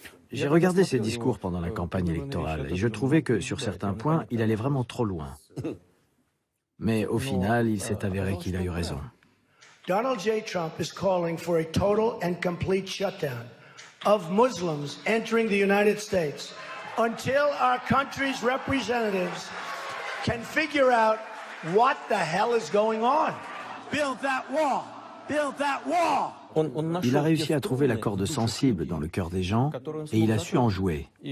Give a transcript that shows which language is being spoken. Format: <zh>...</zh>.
<fr>J'ai regardé ses discours pendant la campagne électorale et je trouvais que, sur certains points, il allait vraiment trop loin. Mais au final, il s'est avéré qu'il a eu raison.</fr> <en>Donald J. Trump is calling for a total and complete shutdown of Muslims entering the United States until our country's representatives can figure out what the hell is going on. Build that wall! Build that wall!</en> <fr>Il a réussi à trouver la corde sensible dans le cœur des gens et il a su en jouer.</fr>